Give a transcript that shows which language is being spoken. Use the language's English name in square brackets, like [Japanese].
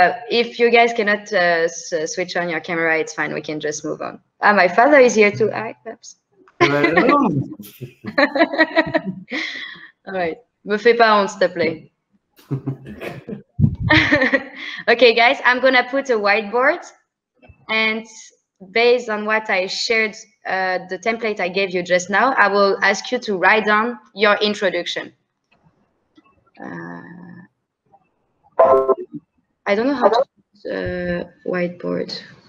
[English] If you guys cannot switch on your camera, it's fine. We can just move on. My father is here too. Hi, Pops. [French] All right, me fais pas honte, s'il te plaît. [English] Okay, guys, I'm gonna put a whiteboard, and based on what I shared, the template I gave you just now, I will ask you to write down your introduction. I don't know how to put the whiteboard.